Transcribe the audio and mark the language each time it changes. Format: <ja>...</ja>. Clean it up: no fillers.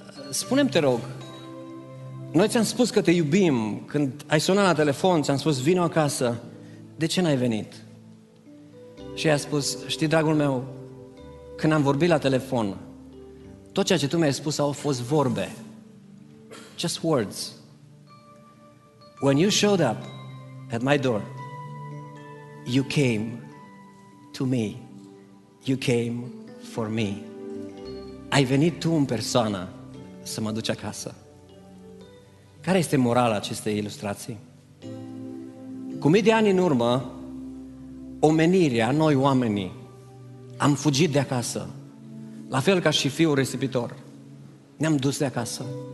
<ro>Spune-mi, te rog, noi ți-am spus că te iubim, când ai sunat la telefon, ți-am spus, vino acasă, de ce n-ai venit? Și i-a spus, știi, dragul meu, când am vorbit la telefon, tot ceea ce tu mi-ai spus au fost vorbe,</ro> <en>just words. When you showed up at my door, you came to me, you came for me.</en> <ro>Ai venit tu în persoană să mă duci acasă. Care este morala acestei ilustrații? Cu mii de ani în urmă, omenirea, noi oamenii, am fugit de acasă. La fel ca și fiul risipitor. Ne-am dus de acasă.</ro>